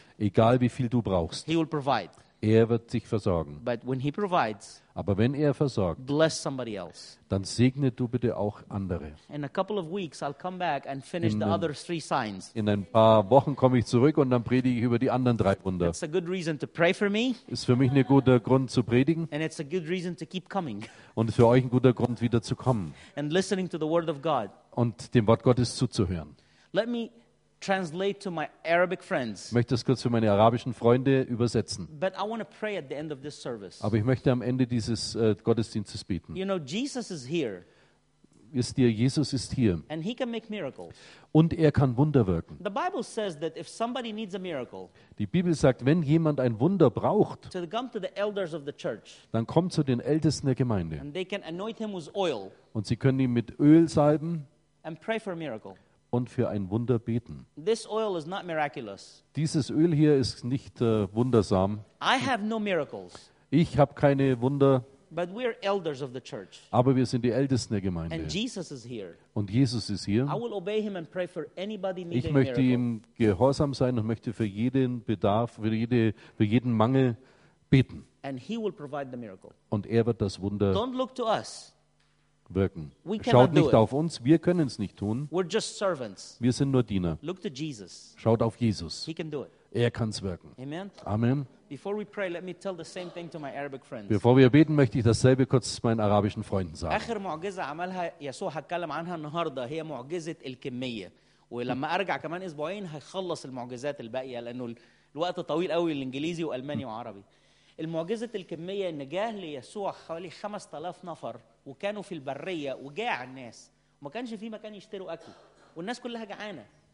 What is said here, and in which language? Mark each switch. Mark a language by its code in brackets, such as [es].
[de] Egal wie viel du brauchst, [en] he will provide. [de] Er wird sich versorgen. [en] But when he provides, [de] aber wenn er versorgt, [en] bless somebody else. [de] Dann segne du bitte auch andere. [en] In a couple of weeks I'll come back and finish the other three signs. [de] In ein paar Wochen komme ich zurück und dann predige ich über die anderen drei Wunder. [en] It's a good reason to pray for me. [de] Ist für mich ein guter Grund zu predigen. [en] And it's a good reason to keep coming. [de] Und für euch ein guter Grund wieder zu kommen. [en] And listening to the word of God. [de] Und dem Wort Gottes zuzuhören. [en] Let me translate to my Arabic friends. [de] Ich möchte das kurz für meine arabischen Freunde übersetzen. [en] But I want to pray at the end of this service. [de] Aber ich möchte am Ende dieses Gottesdienstes beten. [en] You know, Jesus is here. [de] Wisst ihr, Jesus ist hier. [en] And he can make miracles. [de] Und er kann Wunder wirken. [en] The Bible says that if somebody needs a miracle, [de] die Bibel sagt, wenn jemand ein Wunder braucht, [en] to come to the elders of the church, [de] dann kommt zu den Ältesten der Gemeinde. [en] And they can anoint him with oil, [de] und sie können ihn mit Öl salben. [en] And pray for a miracle. [de] Und für ein Wunder beten. [en] This oil is not miraculous. [de] Dieses Öl hier ist nicht wundersam. [en] I have no miracles. [de] Ich habe keine Wunder. [en] But we are elders of the church. [de] Aber wir sind die Ältesten der Gemeinde. [en] And Jesus is here. [de] Und Jesus ist hier. [en] I will obey him and pray for anybody needing [de] ich möchte [en] miracle. [de] Ihm gehorsam sein und möchte für jeden Bedarf, für jeden Mangel beten. [en] And he will provide the miracle. [de] Und er wird das Wunder [en] Don't look to us. [de] Wirken. Schaut nicht auf uns, wir können es nicht tun. [en] We're just servants. [de] Wir sind nur Diener. [en] Look to Jesus. [de] Schaut auf Jesus. [en] He can do it. [de] Er kann es wirken. [en] Amen. Before we pray, let me tell the same thing to my Arabic friends. [de] Bevor wir beten, möchte ich dasselbe kurz meinen arabischen Freunden sagen. [ar] آخر معجزة عملها يسوع هتكلم عنها النهاردة هي معجزة الكمية. ولما أرجع كمان أسبوعين هخلص المعجزات الباقية لأنه الوقت طويل قوي للإنجليزي وألماني وعربي. المعجزة الكمية إن جاه ليسوع حوالي 5000 نفر وكانوا في البرية وجاع الناس وما كانش في مكان يشتروا أكل والناس كلها جعانة